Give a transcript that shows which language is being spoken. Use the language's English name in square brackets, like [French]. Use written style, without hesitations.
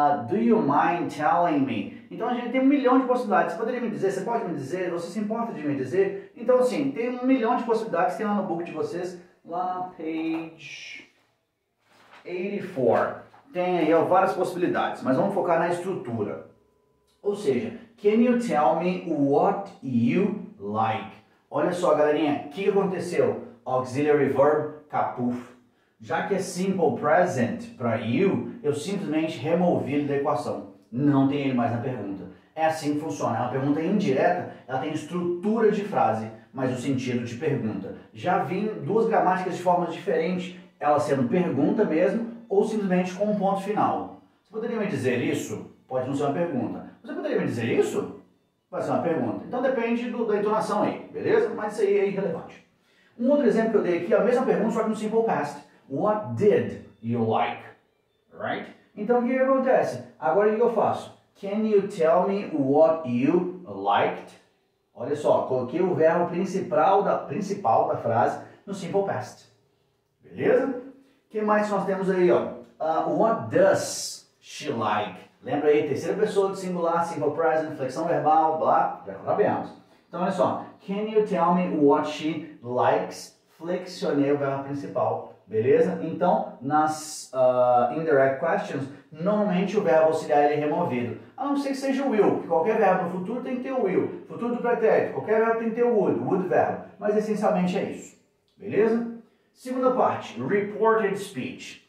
[English] Do you mind telling me? [Portuguese] Então, a gente tem um milhão de possibilidades. Você poderia me dizer? Você pode me dizer? Você se importa de me dizer? Então, assim, tem um milhão de possibilidades. Tem lá no book de vocês, lá na page 84. Tem aí, ó, várias possibilidades, mas vamos focar na estrutura. Ou seja, [English] can you tell me what you like? [Portuguese] Olha só, galerinha, o que aconteceu? Auxiliary verb, capuf. Já que é simple present para you, eu simplesmente removi ele da equação. Não tem ele mais na pergunta. É assim que funciona. É uma pergunta indireta, ela tem estrutura de frase, mas o sentido de pergunta. Já vi duas gramáticas de formas diferentes, ela sendo pergunta mesmo, ou simplesmente com um ponto final. Você poderia me dizer isso? Pode não ser uma pergunta. Você poderia me dizer isso? Vai ser uma pergunta. Então depende da entonação aí, beleza? Mas isso aí é irrelevante. Um outro exemplo que eu dei aqui, a mesma pergunta, só que no simple past. [English] What did you like? Right? [Portuguese] Então o que acontece? Agora o que eu faço? [English] Can you tell me what you liked? [Portuguese] Olha só, coloquei o verbo principal da frase no simple past. Beleza? O que mais nós temos aí, ó? [English] What does she like? [Portuguese] Lembra aí, terceira pessoa do singular, simple present, flexão verbal, blá, já sabemos. Então, olha só. [English] Can you tell me what she likes? [Portuguese] Flexionei o verbo principal. Beleza? Então, nas indirect questions, normalmente o verbo auxiliar ele é removido. A não ser que seja o will, porque qualquer verbo no futuro tem que ter o will. Futuro do pretérito, qualquer verbo tem que ter o would verbo. Mas essencialmente é isso. Beleza? Segunda parte, reported speech.